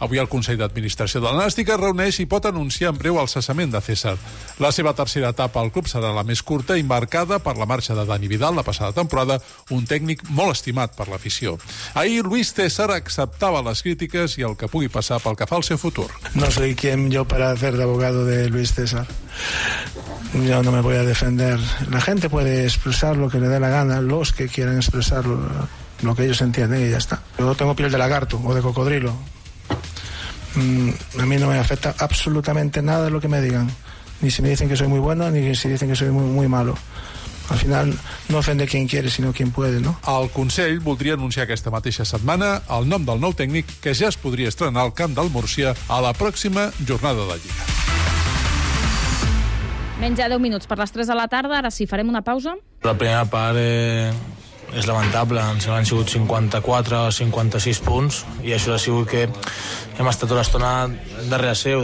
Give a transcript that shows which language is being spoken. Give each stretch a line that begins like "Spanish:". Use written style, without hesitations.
Catalan: Avui el Consell d'Administració del Nàstic es reuneix i pot anunciar en breu el cessament de César. La seva tercera etapa al club serà la més curta i marcada per la marxa de Dani Vidal la passada temporada, un tècnic molt estimat per l'afició. Ahir Lluís César acceptava les crítiques i el que pugui passar pel que fa al seu futur.
Spanish: No soy quien yo para hacer de abogado de Lluís César. Yo no me voy a defender. La gente puede expresar lo que le dé la gana, los que quieran expresar lo que ellos entienden, y ya está. Yo tengo piel de lagarto o de cocodrilo. A mí no me afecta absolutamente nada lo que me digan, ni si me dicen que soy muy bueno, ni si dicen que soy muy, muy malo. Al final, no ofende quien quiere, sino quien puede, ¿no?
Catalan: El Consell voldria anunciar aquesta mateixa setmana el nom del nou tècnic, que ja es podria estrenar al camp del Múrcia a la pròxima jornada de Lliga. Menys de 10 minuts per les 3 de la tarda. Ara sí, farem una pausa. La primera part és lamentable. Ens han sigut 54 o 56 punts i això ha sigut que hem estat tota l'estona darrere seu.